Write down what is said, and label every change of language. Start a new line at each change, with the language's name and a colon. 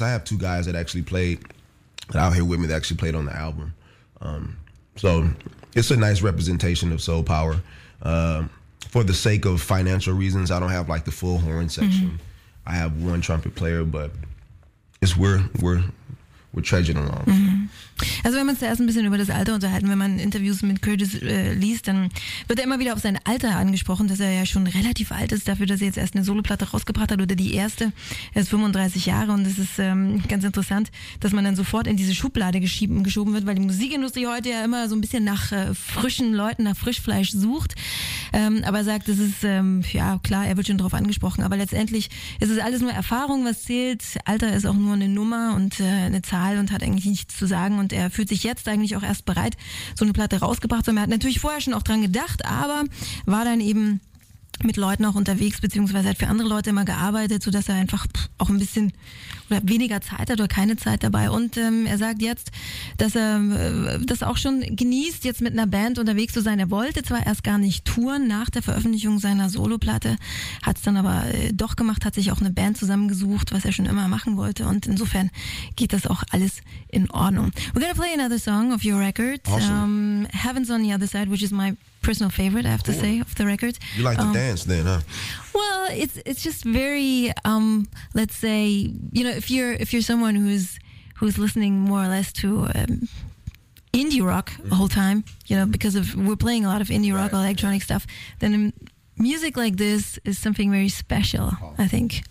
English: I have two guys that actually played, that out here with me, that actually played on the album. So it's a nice representation of Soul Power. For the sake of financial reasons, I don't have like the full horn section. Mm-hmm. I have one trumpet player, but it's we're trudging along.
German: Also wenn man zuerst ein bisschen über das Alter unterhalten, wenn man Interviews mit Curtis liest, dann wird er immer wieder auf sein Alter angesprochen, dass er ja schon relativ alt ist dafür, dass er jetzt erst eine Soloplatte rausgebracht hat oder die erste. Er ist 35 Jahre und es ist ganz interessant, dass man dann sofort in diese Schublade geschoben wird, weil die Musikindustrie heute ja immer so ein bisschen nach frischen Leuten, nach Frischfleisch sucht. Aber er sagt, es ist, ja klar, er wird schon darauf angesprochen, aber letztendlich ist es alles nur Erfahrung, was zählt. Alter ist auch nur eine Nummer und eine Zahl und hat eigentlich nichts zu sagen. Und er fühlt sich jetzt eigentlich auch erst bereit, so eine Platte rausgebracht zu haben. Er hat natürlich vorher schon auch dran gedacht, aber war dann eben mit Leuten auch unterwegs, beziehungsweise hat für andere Leute immer gearbeitet, sodass er einfach auch ein bisschen oder weniger Zeit hat oder keine Zeit dabei. Und er sagt jetzt, dass er das auch schon genießt, jetzt mit einer Band unterwegs zu sein. Er wollte zwar erst gar nicht touren nach der Veröffentlichung seiner Soloplatte, hat es dann aber doch gemacht, hat sich auch eine Band zusammengesucht, was er schon immer machen wollte. Und insofern geht das auch alles in Ordnung.
English: We're gonna play another song of your record. Awesome. Heaven's on the Other Side, which is my personal favorite, I have to say, of the record. You like to dance then, huh? Well, it's just very, let's say, you know, if you're someone who's listening more or less to indie rock the whole time, you know, because of we're playing a lot of indie rock, electronic stuff, then music like this is something very special, I think.